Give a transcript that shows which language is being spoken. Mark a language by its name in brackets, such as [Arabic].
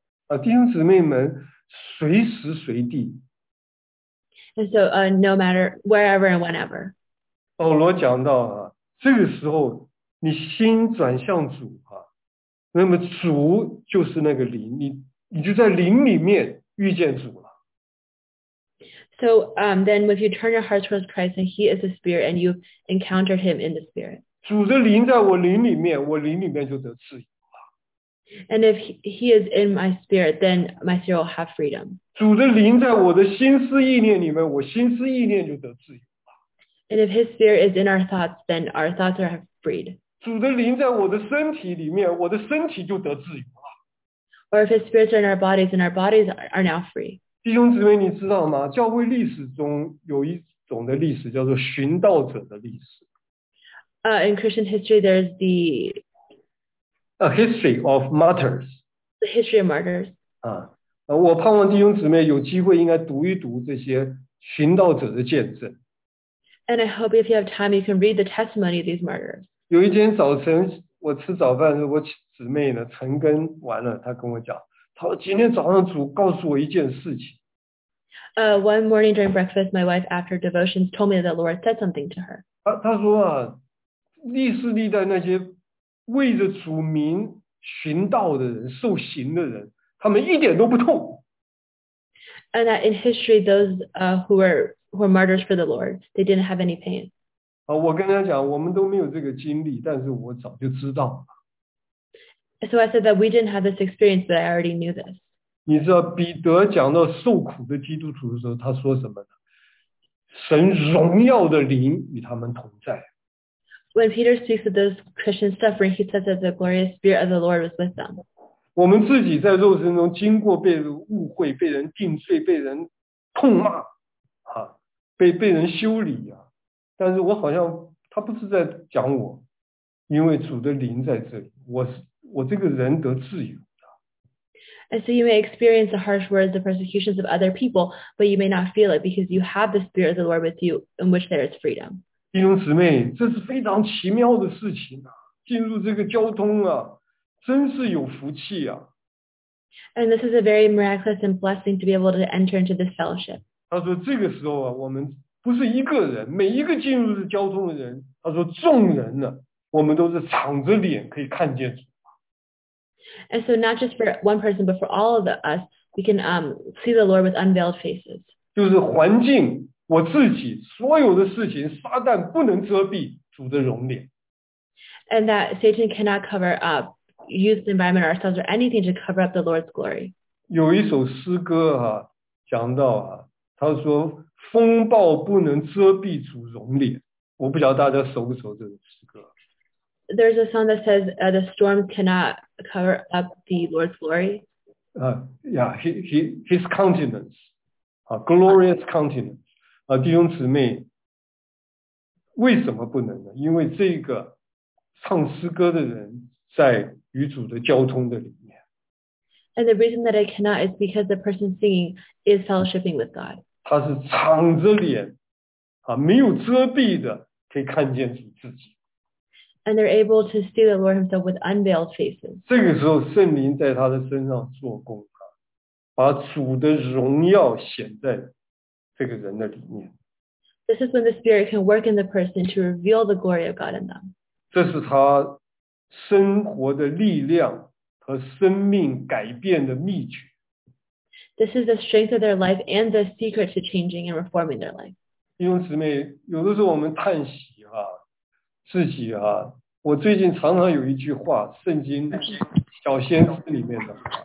[Chinese] 啊，弟兄姊妹们，随时随地。 [English] And so, no matter wherever and whenever. [Chinese] 保罗讲到啊。这个时候你心转向主啊，那么主就是那个灵，你就在灵里面遇见主了。 [English] So, then if you turn your heart towards Christ and he is the spirit and you encounter him in the spirit. [Chinese] 主的灵在我灵里面，我灵里面就得自由了。 [English] And if he is in my spirit, then my spirit will have freedom. [Chinese] 主的灵在我的心思意念里面，我心思意念就得自由。 [English] And if his spirit is in our thoughts, then our thoughts are freed. [Chinese] 主的灵在我的身体里面，我的身体就得自由了。 [English] Or if his spirits are in our bodies, then our bodies are now free. [Chinese] 弟兄姊妹，你知道吗？教会历史中有一种的历史叫做寻道者的历史。 [English] In Christian history, there's the... A history of martyrs. The history of martyrs. [Chinese] 我盼望弟兄姊妹有机会应该读一读这些寻道者的见证。 [English] And I hope if you have time, you can read the testimony of these martyrs. [Chinese] 有一天早晨，我吃早饭，我姊妹呢，晨更完了，她跟我讲，她说今天早上主告诉我一件事情。 [English] One morning during breakfast, my wife, after devotions, told me that the Lord said something to her. [Chinese] 她说啊，历世历代那些为着主名寻道的人、受刑的人，他们一点都不痛。 [English] And that in history, those who were martyrs for the Lord, they didn't have any pain. [Chinese] 我跟他讲，我们都没有这个经历，但是我早就知道了。 [English] So I said that we didn't have this experience, but I already knew this. [Chinese] 你知道彼得讲到受苦的基督徒的时候，他说什么呢？神荣耀的灵与他们同在。 [English] When Peter speaks of those Christians suffering, he says that the glorious spirit of the Lord was with them. [Chinese] 我们自己在肉身中经过被误会、被人定罪、被人痛骂，被人修理啊。但是我好像他不是在讲我，因为主的灵在这里，我这个人得自由。 [English] And so you may experience the harsh words, the persecutions of other people, but you may not feel it because you have the Spirit of the Lord with you in which there is freedom. [Chinese] 弟兄姊妹，这是非常奇妙的事情啊，进入这个交通啊，真是有福气啊。 [English] And this is a very miraculous and blessing to be able to enter into this fellowship. [Chinese] 他说这个时候啊，我们不是一个人，每一个进入这交通的人，他说众人呢，我们都是敞着脸可以看见主。 [English] And so not just for one person, but for all of us, we can see the Lord with unveiled faces. [Chinese] 就是环境，我自己，所有的事情，撒旦不能遮蔽主的容脸。 [English] And that Satan cannot cover up, use the environment ourselves or anything to cover up the Lord's glory. [Chinese] 有一首诗歌啊，讲到啊，他说风暴不能遮蔽主容脸。我不晓得大家熟不熟这首诗歌。 [English] There's a song that says the storms cannot cover up the Lord's glory. His countenance, glorious countenance. [Chinese] 弟兄姊妹，为什么不能呢？因为这个唱诗歌的人在与主的交通的里面。 [English] And the reason that it cannot is because the person singing is fellowshipping with God. [Chinese] 他是敞着脸，没有遮蔽的，可以看见主自己。 [English] And they're able to see the Lord himself with unveiled faces. [Chinese] 这个时候圣灵在他的身上做工，把主的荣耀显在这个人的里面。 [English] This is when the Spirit can work in the person to reveal the glory of God in them. [Chinese] 这是他生活的力量和生命改变的秘诀。 [English] This is the strength of their life and the secret to changing and reforming their life. [Chinese] 弟兄姊妹，有的时候我们叹息自己啊，我最近常常有一句话，圣经小先知里面的。